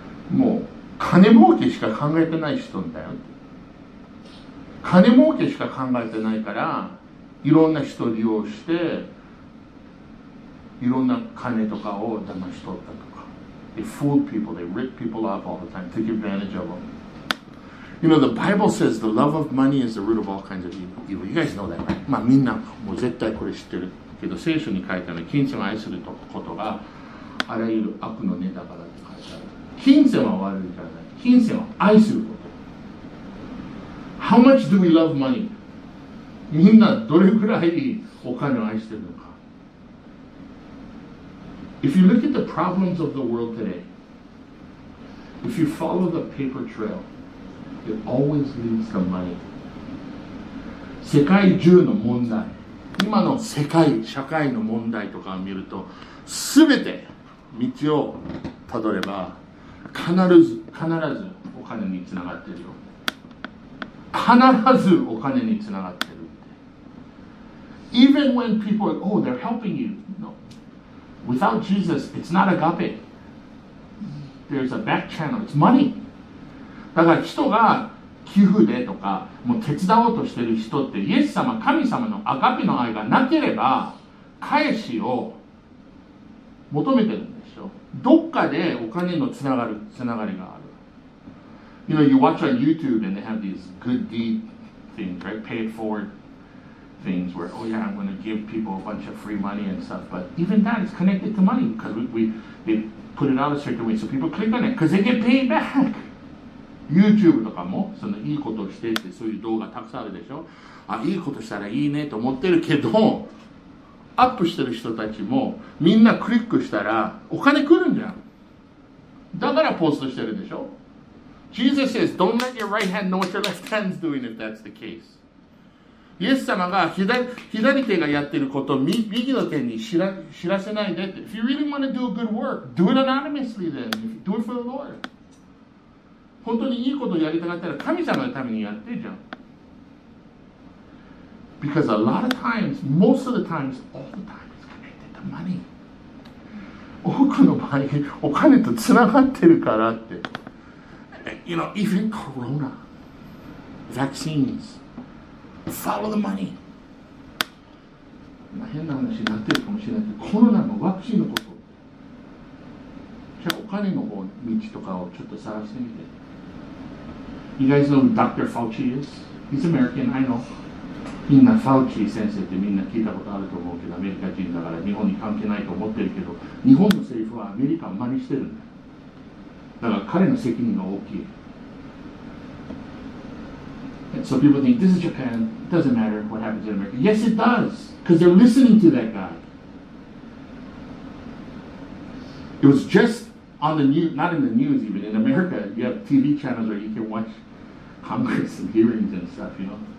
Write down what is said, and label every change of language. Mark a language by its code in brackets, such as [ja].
[ja] もう金儲けしか考えてない人だよ。金儲けしか考えてないから、いろんな人を利用して、いろんな金とかを騙し取ったとか。 [en] They fool people. They rip people off all the time. Take advantage of them. You know, the Bible says the love of money is the root of all kinds of evil. You guys know that, right? [ja] まあみんなもう絶対これ知ってるけど、聖書に書いてある金銭を愛することがあらゆる悪の根だからって書いてある。金銭は悪いじゃない、金銭を愛すること。 [en] How much do we love money? [ja] みんなどれくらいお金を愛してるのか。 [en] If you look at the problems of the world today, if you follow the paper trail,It always leads to money. [ja] 世界中の問題、今の世界社会の問題とかを見ると、すべて道をたどれば必ずお金につながってるよ。必ずお金につながってる。 [en] Even when people are, oh, they're helping you. No. Without Jesus, it's not agape. There's a back channel. It's money. [ja] だから人が寄付でとかもう手伝おうとしている人って、イエス様、神様のアガペの愛がなければ返しを求めてるんでしょ。どっかでお金のつながりがある。 [en] You know, you watch on YouTube and they have these good deed things, right? Paid forward things where, oh yeah, I'm going to give people a bunch of free money and stuff, but even that is connected to money because they put it out a certain way so people click on it because they get paid back [ja] YouTube とかもそのいいことをしていて、そういう動画たくさんあるでしょ。あ、いいことしたらいいねと思ってるけど、アップしてる人たちもみんなクリックしたらお金来るんじゃん。だからポストしてるでしょ。 [en] Jesus says, don't let your right hand know what your left hand's doing if that's the case. [ja] イエス様が左手がやってることを右の手に知らせないでって。 [en] If you really want to do a good work, do it anonymously then. Do it for the Lord. [ja] 本当にいいことをやりたかったら神様のためにやってじゃん。 [en] Because a lot of times, most of the times, all the time is connected to money. [ja] 多くの場合、お金とつながってるからって。 [en] You know, even Corona, vaccines, follow the money. [ja] 変な話になってるかもしれないけど、コロナのワクチンのこと。じゃあお金の方道とかをちょっと探してみて。 [en] You guys know who Dr. Fauci is? He's American, I know. [ja] みんなファウチ先生ってみんな聞いたことあると思うけど、アメリカ人だから日本に関係ないと思ってるけど、日本の政府はアメリカを真似してるんだ。だから彼の責任が大きい。 [en] And so people think, this is Japan, it doesn't matter what happens in America. Yes, it does, because they're listening to that guy. It was justOn the news, not in the news even, in America, you have TV channels where you can watch Congress and hearings and stuff, you know.